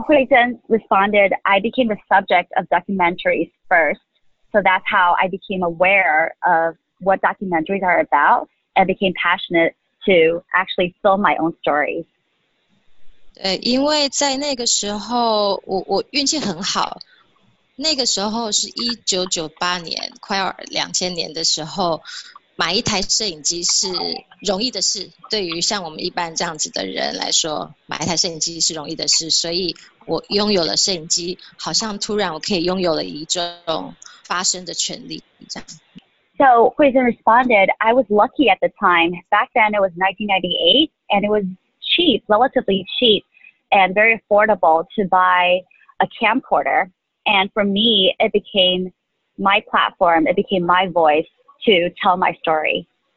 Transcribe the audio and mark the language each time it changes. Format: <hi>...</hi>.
<en>Huichen responded, I became the subject of documentaries first, so that's how I became aware of what documentaries are about and became passionate to actually film my own stories.</en> <zh>对，因为在那个时候，我运气很好。那个时候是1998年，快要2000年的时候，买一台摄影机是容易的事。对于像我们一般这样子的人来说，买一台摄影机是容易的事，所以我拥有了摄影机，好像突然我可以拥有了一种发声的权利。这样。</zh> <en>So So Huizhen responded, I was lucky at the time. Back then it was 1998 and it was cheap, relatively cheap and very affordable to buy a camcorder. And for me, it became my platform. It became my voice to tell my story.</en>